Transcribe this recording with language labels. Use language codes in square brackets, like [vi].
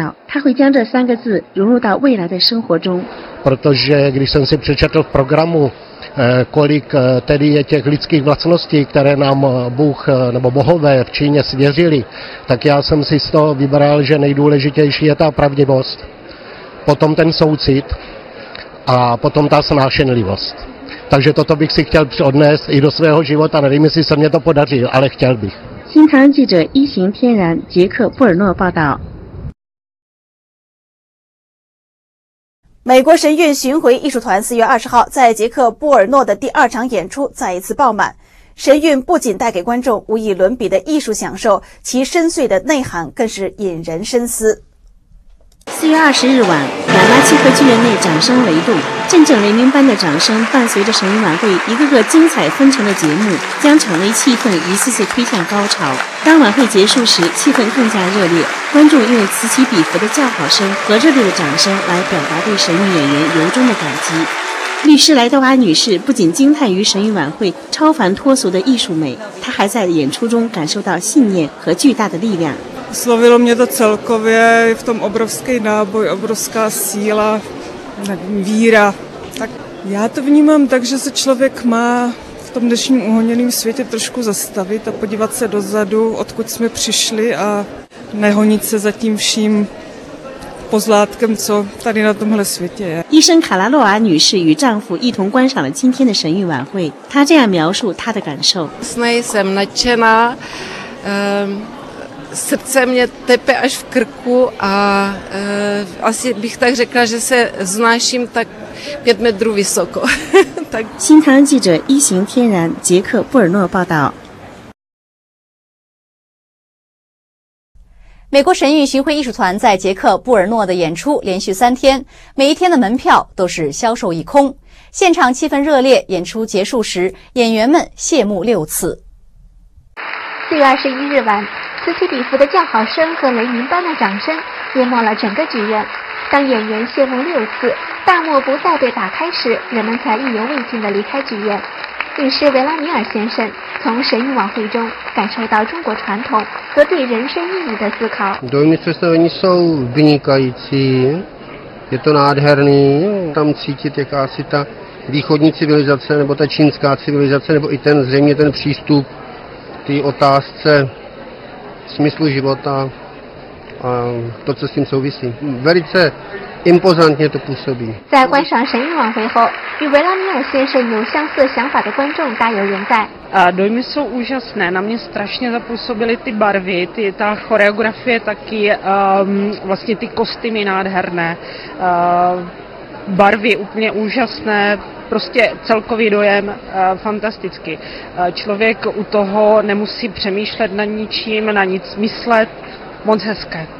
[zh] 斯拉奇先生表示，观赏神韵的经历启迪了他真善人的重要，他会将这三个字融入到未来的生活中。 [cs] Protože když jsem si přečetl v programu, kolik tedy je těch lidských vlastností, které nám Bůh nebo bohové v Číně svěřili, tak já jsem si z toho vybral, že nejdůležitější je ta pravdivost. Potom ten soucit a potom ta snášenlivost. Takže toto bych si chtěl odnést i do svého života. Nevím, jestli se mě to podaří, ale chtěl bych. [zh] 新唐记者一行天然捷克布尔诺报道。美国神韵巡回艺术团4月20号在捷克波尔诺的第二场演出再一次爆满。神韵不仅带给观众无以伦比的艺术享受，其深邃的内涵更是引人深思。 4月20日晚，雅拉契诃剧院内掌声雷动，阵阵雷鸣般的掌声伴随着神韵晚会一个个精彩纷呈的节目，将场内气氛一次次推向高潮。当晚会结束时，气氛更加热烈，观众用此起彼伏的叫好声和热烈的掌声来表达对神韵演员由衷的感激。律师莱德华女士不仅惊叹于神韵晚会超凡脱俗的艺术美，她还在演出中感受到信念和巨大的力量。 [cs] Oslovilo mě to celkově, je v tom obrovský náboj, obrovská síla, nevím, víra. Tak já to vnímám tak, že se člověk má v tom dnešním uhoněném světě trošku zastavit a podívat se dozadu, odkud jsme přišli a nehonit se za tím vším pozlátkem, co tady na tomhle světě je. [zh] 医生卡拉洛娃女士与丈夫一同观赏了今天的神韵晚会，她这样描述她的感受。 [cs] Jsem nadšená, srdce mě tepe až v krku a asi bych tak řekla, že se znáším tak 5 metrů vysoko. [zh] 新唐人记者一行天然捷克布尔诺报道。美国神韵巡回艺术团在捷克布尔诺的演出连续三天，每一天的门票都是销售一空，现场气氛热烈，演出结束时演员们谢幕六次。 4月21日晚，此起彼伏的叫好声和雷鸣般的掌声淹没了整个剧院。当演员谢幕六次，大幕不再被打开时，人们才意犹未尽地离开剧院。律师维拉尼尔先生从神韵晚会中感受到中国传统和对人生意义的思考。 [cs] Dojmy z představení jsou vynikající, je to nádherný, tam cítit jakási ta východní civilizace nebo ta čínská civilizace nebo i ten zřejmě ten přístup k té otázce smyslu života a to, co s tím souvisí. Velice impozantně to působí. [zh] 在观赏神韵晚会后，与维拉米尔先生有相似想法的观众大有人在。 [cs] Dojmy jsou úžasné, na mě strašně zapůsobily ty barvy, ta choreografie taky, vlastně ty kostýmy nádherné, barvy úplně úžasné, prostě celkový dojem fantastický. Člověk u toho nemusí přemýšlet na ničím, na nic myslet, moc hezké.